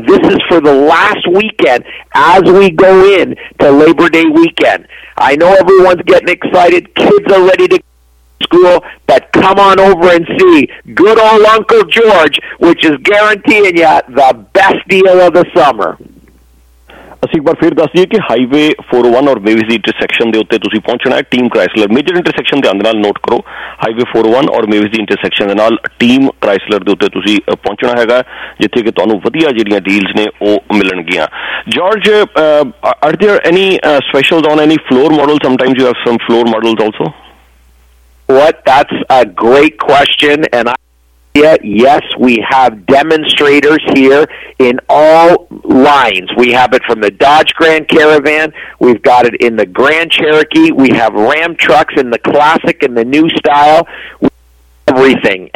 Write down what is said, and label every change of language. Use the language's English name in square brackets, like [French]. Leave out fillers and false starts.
[English] This is for the last weekend as we go in to Labor Day weekend. I know everyone's getting excited. Kids are ready to go to school, but come on over and see good old Uncle George, which is guaranteeing you the best deal of the summer. [Punjabi] ਅਸੀਂ ਇੱਕ ਵਾਰ ਫਿਰ ਦੱਸ ਦਈਏ ਕਿ highway 401 ਔਰ ਮੇਵਿਸ intersection ਦੇ ਉੱਤੇ ਤੁਸੀਂ ਪਹੁੰਚਣਾ ਹੈ ਟੀਮ ਕ੍ਰਾਈਸਲਰ ਮੇਜਰ ਇੰਟਰਸੈਕਸ਼ਨ ਧਿਆਨ ਦੇ ਨਾਲ ਨੋਟ ਕਰੋ ਹਾਈਵੇ 401 ਔਰ ਮੇਵਿਸ ਇੰਟਰਸੈਕਸ਼ਨ ਦੇ ਨਾਲ ਟੀਮ ਕ੍ਰਾਈਸਲਰ ਦੇ ਉੱਤੇ ਤੁਸੀਂ ਪਹੁੰਚਣਾ ਹੈਗਾ ਜਿੱਥੇ ਕਿ ਤੁਹਾਨੂੰ ਵਧੀਆ ਜਿਹੜੀਆਂ ਡੀਲਸ ਨੇ ਉਹ ਮਿਲਣਗੀਆਂ [English] George are there any specials on any floor model sometimes you have some floor models also what that's a great question and I Yeah, yes, we have demonstrators here in all lines. We have it from the Dodge Grand Caravan. We've got it in the Grand Cherokee. We have Ram trucks in the classic and the new style. Everything.